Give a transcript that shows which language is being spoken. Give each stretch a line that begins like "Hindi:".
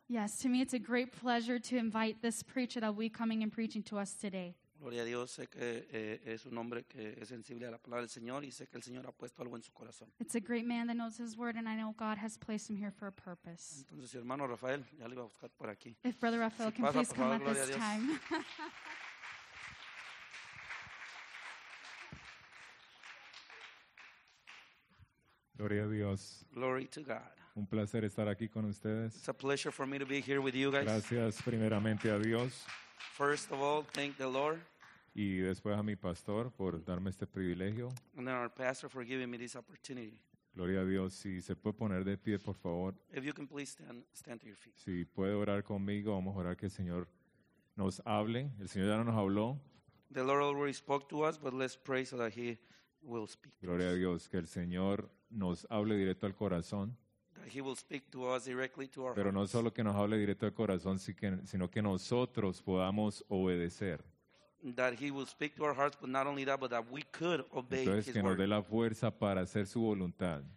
English: Yes, to me it's a great pleasure to invite this preacher that will be coming and preaching to us today.
Spanish: Gloria a Dios, sé que es un hombre que es sensible a la palabra del Señor y sé que el Señor ha puesto algo en su corazón.
English: It's a great man that knows his word and I know God has placed him here for a purpose.
Spanish: Entonces, hermano Rafael, ya le iba a buscar por aquí.
English: If Brother Rafael can please come at this time.
Spanish: Gloria a Dios.
English: Glory to God.
Spanish: Un placer estar aquí con ustedes.
English: It's a pleasure for me to be here with you guys.
Spanish: Gracias primeramente a Dios.
English: First of all, thank the Lord.
Spanish: Y después a mi pastor por darme este privilegio.
English: And then our pastor for giving me this opportunity.
Spanish: Gloria a Dios. Si se puede poner de pie, por favor.
English: If you can please stand to your feet.
Spanish: Si puede orar conmigo, vamos a orar que el Señor nos hable. El Señor ya no nos habló.
English: The Lord already spoke to us, but let's pray so that He will speak.
Spanish: Gloria a Dios. Que el Señor nos hable directo al corazón.
English: He will speak to us directly to our hearts.
Spanish: Pero no solo que nos hable directo al corazón, sino que nosotros podamos obedecer.
English: That he will speak to our hearts, but not only that, but that we could obey
Spanish: Entonces,
English: his
Spanish: que
English: word.
Spanish: Nos dé la fuerza para hacer su voluntad.